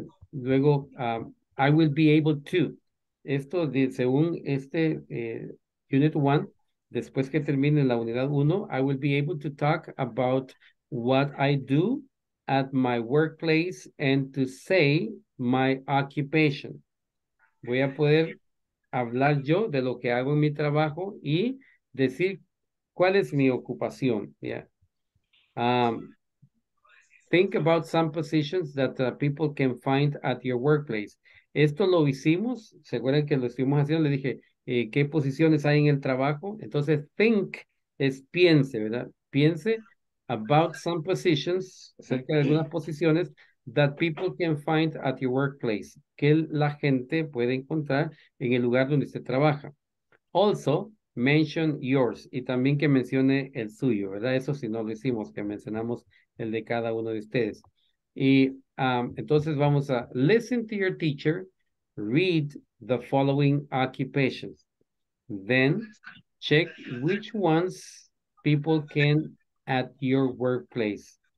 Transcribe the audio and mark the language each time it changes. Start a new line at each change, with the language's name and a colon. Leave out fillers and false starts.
English: Luego, I will be able to.
Spanish: Esto, según este Unit 1, después que termine la unidad 1,
English: I will be able to talk about what I do at my workplace and to say my occupation.
Spanish: Voy a poder hablar yo de lo que hago en mi trabajo y decir cuál es mi ocupación. Yeah.
English: Think about some positions that people can find at your workplace.
Spanish: Esto lo hicimos, ¿se acuerdan que lo estuvimos haciendo? Le dije, ¿qué posiciones hay en el trabajo? Entonces, think es piense, ¿verdad? Piense
English: about some positions,
Spanish: acerca de algunas posiciones,
English: that people can find at your workplace,
Spanish: que la gente puede encontrar en el lugar donde usted trabaja.
English: Also, mention yours,
Spanish: y también que mencione el suyo, ¿verdad? Eso sí no lo hicimos, que mencionamos el de cada uno de ustedes. Y entonces vamos a
English: listen to your teacher, read the following occupations. Then, check which ones people can at your workplace.